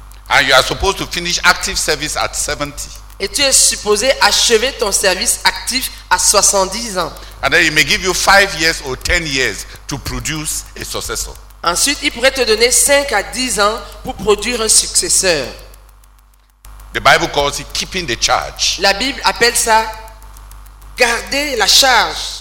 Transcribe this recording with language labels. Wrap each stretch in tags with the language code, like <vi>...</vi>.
<en>And you are supposed to finish active service at 70.</en> <fr>Et tu es supposé achever ton service actif à 70 ans.</fr> <en>And then he may give you 5 years or 10 years to produce a successor.</en> <fr>Ensuite, il pourrait te donner 5 à 10 ans pour produire un successeur.</fr> <en>The Bible calls it keeping the charge.</en> <fr>La Bible appelle ça garder la charge.</fr>